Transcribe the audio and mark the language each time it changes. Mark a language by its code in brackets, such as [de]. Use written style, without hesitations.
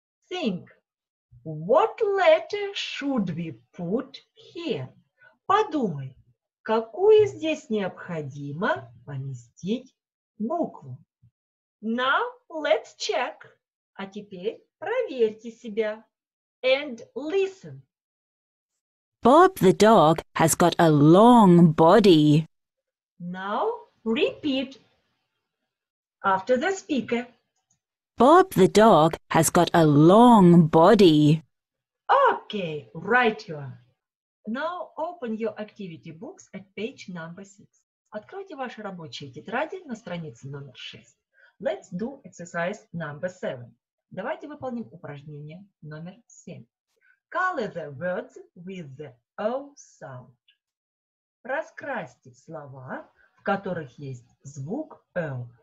[en] Think. What letter should we put here? [ru] Подумай, какую здесь необходимо поместить букву. [en] Now let's check. [ru] А теперь проверьте себя. [en] And listen. Bob the dog has got a long body. Now repeat after the speaker. Bob the dog has got a long body. Okay, right you are. Now open your activity books at page number 6. [ru] Откройте ваши рабочие тетради на странице номер 6. [en] Let's do exercise number 7. [ru] Давайте выполним упражнение номер 7. [en] Color the words with the O sound. [ru] Раскрасьте слова, в которых есть звук O.